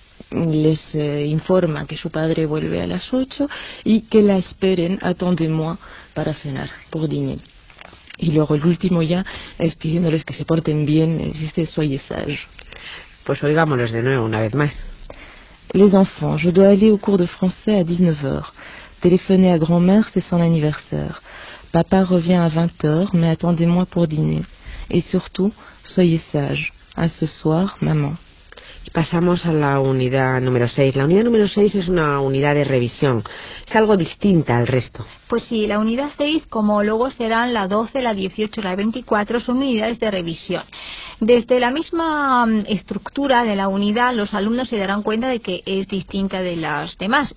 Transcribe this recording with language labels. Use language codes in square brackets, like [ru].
[es] Les informa que su padre vuelve a las 8 y que la esperen, [fr] attendez-moi, [es] para cenar, [fr] pour dîner. [es] Y luego el último ya es pidiéndoles que se porten bien, dice, [fr] soyez sages. [es] Pues oigámoslos de nuevo una vez más. [fr] Les enfants, je dois aller au cours de français à 19h. Téléphonez à grand-mère, c'est son anniversaire. Papa revient à 20h, mais attendez-moi pour dîner. Et surtout, soyez sages. À ce soir, maman. [es] Pasamos a la unidad número 6. La unidad número 6 es una unidad de revisión. Es algo distinta al resto. Pues sí, la unidad 6, como luego serán la 12, la 18, la 24, son unidades de revisión. Desde la misma estructura de la unidad, los alumnos se darán cuenta de que es distinta de las demás.